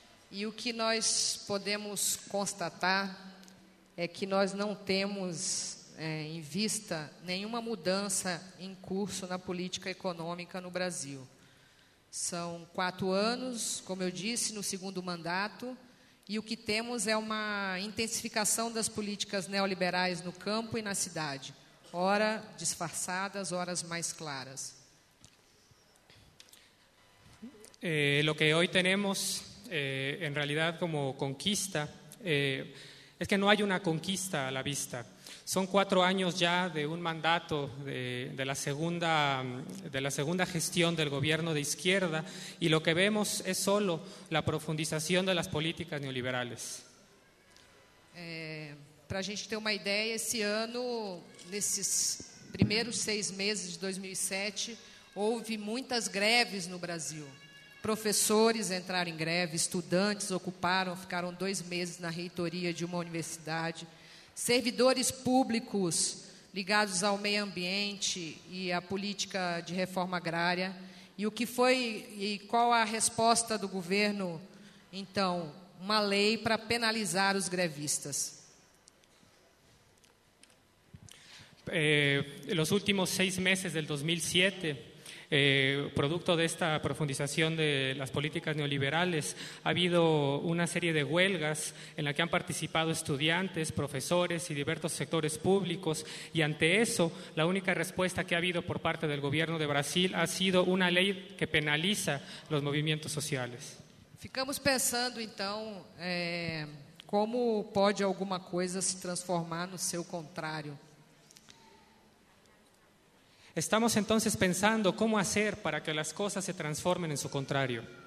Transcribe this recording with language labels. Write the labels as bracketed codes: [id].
[pt] E o que nós podemos constatar é que nós não temos em vista nenhuma mudança em curso na política econômica no Brasil. São 4 anos, como eu disse, no segundo mandato, E o que temos é uma intensificação das políticas neoliberais no campo e na cidade, ora disfarçadas, ora mais claras. [es] Lo que hoy tenemos, en realidad como conquista, es que no hay una conquista a la vista. Son cuatro años ya de un mandato de la segunda gestión del gobierno de izquierda y lo que vemos es solo la profundización de las políticas neoliberales. [pt] Para a gente ter uma ideia, esse ano, nesses primeiros seis meses de 2007, houve muitas greves no Brasil. Professores entraram em greve, estudantes ficaram dois meses na reitoria de uma universidade. Servidores públicos ligados ao meio ambiente e à política de reforma agrária. E o que foi e qual a resposta do governo? Então, uma lei para penalizar os grevistas. [es] Los últimos seis meses del 2007, producto de esta profundización de las políticas neoliberales, ha habido una serie de huelgas en la que han participado estudiantes, profesores y diversos sectores públicos, y ante eso la única respuesta que ha habido por parte del gobierno de Brasil ha sido una ley que penaliza los movimientos sociales. [pt] Ficamos pensando então como pode alguma coisa se transformar no seu contrário. [es] Estamos entonces pensando cómo hacer para que las cosas se transformen en su contrario.